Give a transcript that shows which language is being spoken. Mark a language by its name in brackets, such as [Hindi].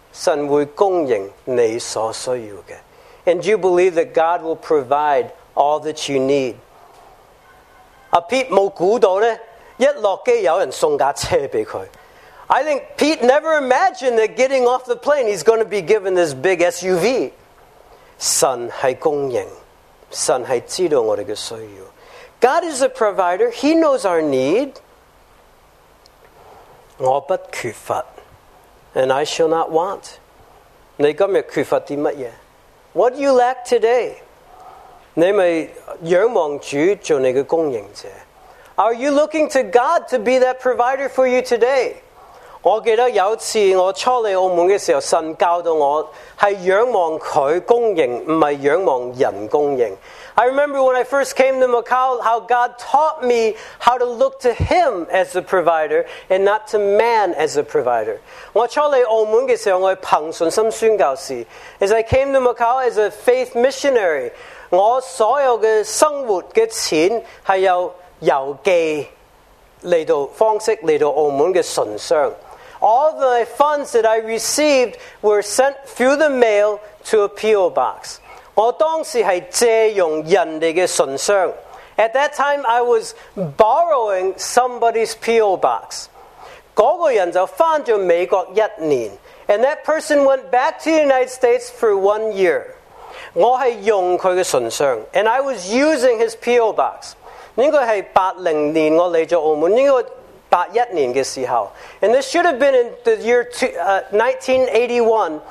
[Chinese] 你是不是相信神会供应你所需要的？ [English] And you believe that God will provide all that you need. [Chinese] 啊，Pete没估到呢，一落机有人送架车俾佢。 [English] I think Pete never imagined that getting off the plane he's going to be given this big SUV. [Chinese] 神是供应，神是知道我们的需要。 [English] God is a provider, he knows our need. [Chinese] 我不缺乏， [English] and I shall not want. [Chinese] 你今日缺乏啲乜嘢？ [English] What do you lack today? [Chinese] 你咪仰望主做你嘅供应者。 [English] Are you looking to God to be that provider for you today? [Chinese] 我记得有一次我初嚟澳门嘅时候，神教导我系仰望佢供应，唔系仰望人供应。 [English] I remember when I first came to Macau, how God taught me how to look to Him as a provider and not to man as a provider. [Chinese] 我初嚟澳门嘅时候，我系凭信心宣教士。 [English] As I came to Macau as a faith missionary, [Chinese] 我所有嘅生活嘅钱系由邮寄嚟到方式嚟到澳门嘅信箱。 [English] All the funds that I received were sent through the mail to a PO box. [Chinese] 我当时是借用人家的信箱。 [English] At that time, I was borrowing somebody's PO box. [Chinese] 那个人就回到美国一年。 [English] And that person went back to the United States for 1 year. [Chinese] 我是用他的信箱。 [English] And I was using his PO box. [Chinese] 应该是80年我来到澳门。应该81年的时候。 [English] And this should have been in the year 1981.